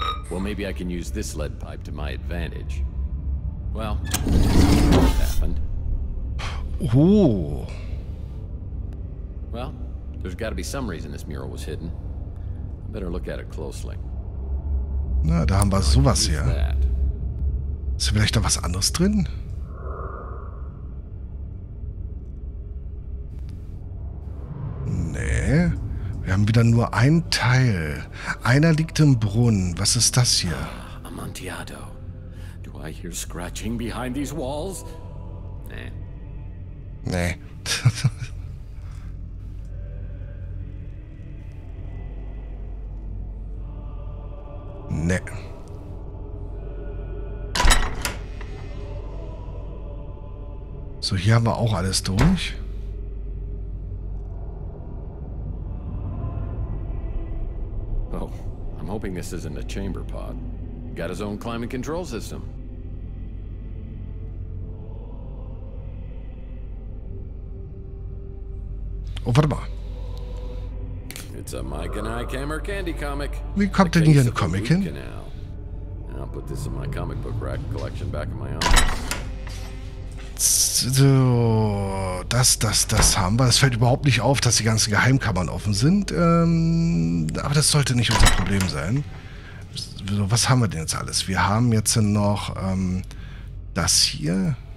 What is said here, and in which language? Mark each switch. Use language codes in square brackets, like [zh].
[en] Well, maybe I can use this lead pipe to my advantage. Well, happened. Oh. Well, there's got to be some reason this mural was hidden. Better look at it closely. [de] Na, da haben wir sowas hier. Ist hier vielleicht da was anderes drin? Nee. Wir haben wieder nur ein Teil. Einer liegt im Brunnen. Was ist das hier? Amontillado. [en] Do I hear scratching behind these walls? [de] Nee. Nee. Nee. So, hier haben wir auch alles durch. [en] Oh, I'm hoping this isn't a chamber pod. He got his own climate control system. [de] Oh, warte mal. [en] It's a Mike and I Camer candy comic. [de] Wie kommt denn hier ein Comic hin? [en] And I'll put this in my comic book rack collection back in my office. [de] So, das haben wir. Es fällt überhaupt nicht auf, dass die ganzen Geheimkammern offen sind. Aber das sollte nicht unser Problem sein. So, was haben wir denn jetzt alles? Wir haben jetzt noch das hier.